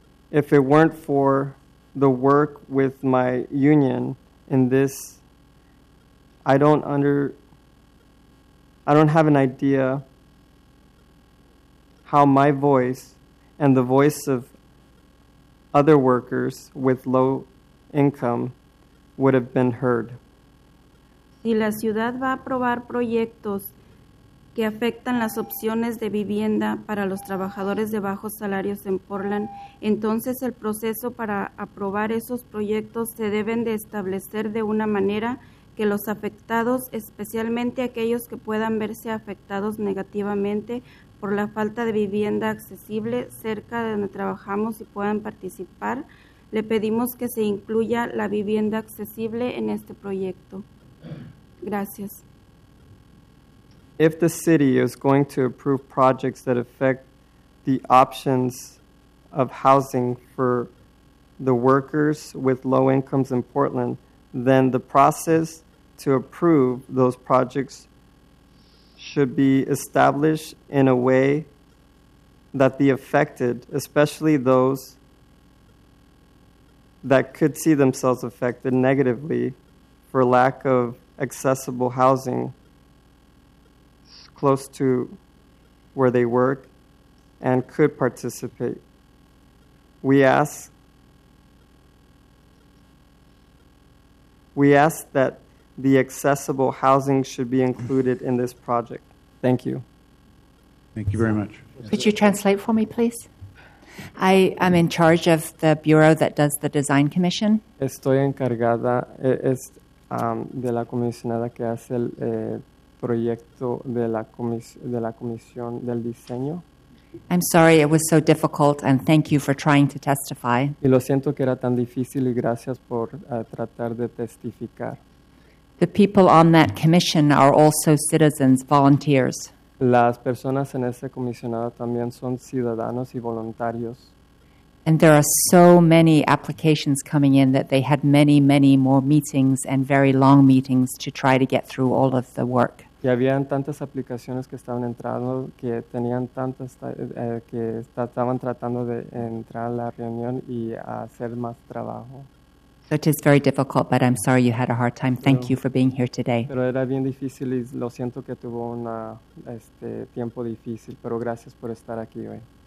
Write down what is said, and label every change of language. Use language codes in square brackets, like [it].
[en] If it weren't for the work with my union in this, I don't have an idea how my voice and the voice of other workers with low income would have been heard. [es] Si la ciudad va a aprobar proyectos que afectan las opciones de vivienda para los trabajadores de bajos salarios en Portland, entonces el proceso para aprobar esos proyectos se deben de establecer de una manera que los afectados, especialmente aquellos que puedan verse afectados negativamente por la falta de vivienda accesible cerca de donde trabajamos y puedan participar, le pedimos que se incluya la vivienda accesible en este proyecto. Gracias. [en] If the city is going to approve projects that affect the options of housing for the workers with low incomes in Portland, then the process to approve those projects should be established in a way that the affected, especially those that could see themselves affected negatively for lack of accessible housing close to where they work and could participate. We ask that the accessible housing should be included in this project. Thank you. Thank you very much. Could you translate for me, please? I am in charge of the bureau that does the design commission. [es] Estoy encargada es de la comisionada que hace el proyecto de la comisión del diseño. [en] I'm sorry it was so difficult, and thank you for trying to testify. [es] Y lo siento que era tan difícil, y gracias por tratar de testificar. [en] The people on that commission are also citizens, volunteers. [es] Las personas en ese comisionado también son ciudadanos y voluntarios. [en] And there are so many applications coming in that they had many, many more meetings and very long meetings to try to get through all of the work. [es] Y habían tantas aplicaciones que estaban entrando que tenían tantas que estaban tratando de entrar a la reunión y hacer más trabajo. [en] So it is very difficult, but I'm sorry you had a hard time. Thank you for being here today. [es] Pero era bien difícil y lo siento que tuvo una tiempo difícil, pero gracias por estar aquí hoy.